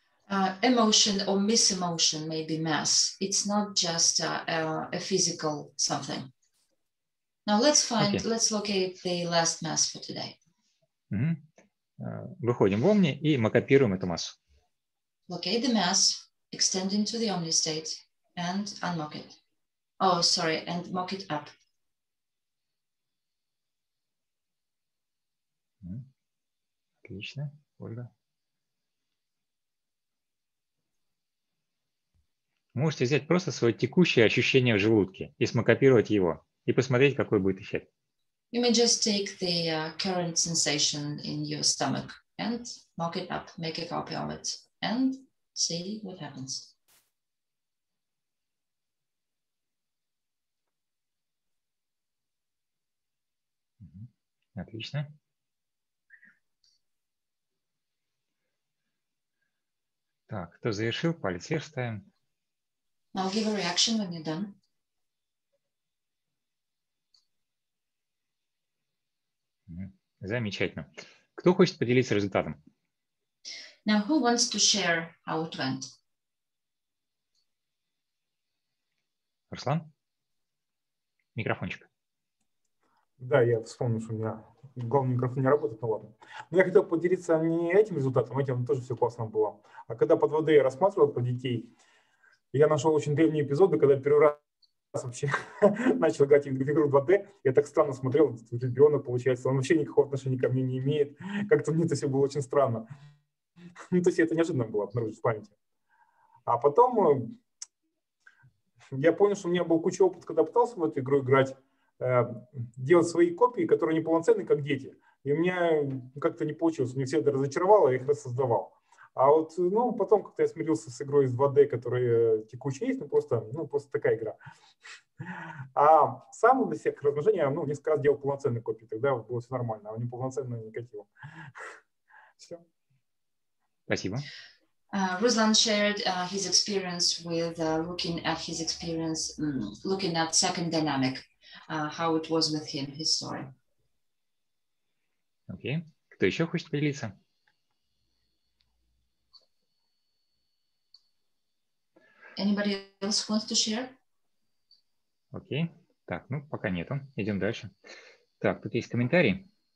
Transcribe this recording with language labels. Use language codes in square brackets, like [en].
[en] Emotion or mis-emotion may be mass. It's not just a physical something. Now let's find, okay. Let's locate the last mass for today. [ru] Выходим в Омни и мы копируем эту массу. [en] Locate the mass. Extend into the Omni state and unmock it. Oh, sorry, and mock it up. [ru] Отлично, Ольга. Можете взять просто свое текущее ощущение в желудке и смокопировать его, и посмотреть, какой будет эффект. [en] You may just take the current sensation in your stomach and mock it up, make a copy of it, and see what happens. [ru] Отлично. Так, кто завершил, палец вверх ставим. [en] I'll give a reaction when you're done. [ru] Замечательно. Кто хочет поделиться результатом? [en] Now, who wants to share how it went? [ru] Руслан? Микрофончик. Да, я вспомнил, что у меня главный микрофон не работает, но ладно. Но я хотел поделиться не этим результатом, этим тоже все классно было. А когда под водой я рассматривал про детей, я нашел очень древние эпизоды, когда первый раз вообще начал играть в игру 2D. Я так странно смотрел, ребенок получается, он вообще никакого отношения ко мне не имеет. Как-то мне это все было очень странно. Ну, то есть это неожиданно было обнаружить в памяти. А потом я понял, что у меня был куча опыта, когда пытался в эту игру играть, делать свои копии, которые неполноценны, как дети. И у меня как-то не получилось. Мне все это разочаровало, я их рассоздавал. А вот, ну, потом как-то я смирился с игрой из 2D, которая текущая есть, просто такая игра. А сам для всех размножений, несколько раз делал полноценные копии, тогда было все нормально, а неполноценные никакие. Все. Спасибо. [en] Руслан shared his experience with looking at second dynamic, how it was with him, his story. Окей. [ru] Кто еще хочет поделиться? [en] Anybody else wants to share? [ru] Окей. Так, ну, пока нету. Идем дальше. Так, тут есть комментарии.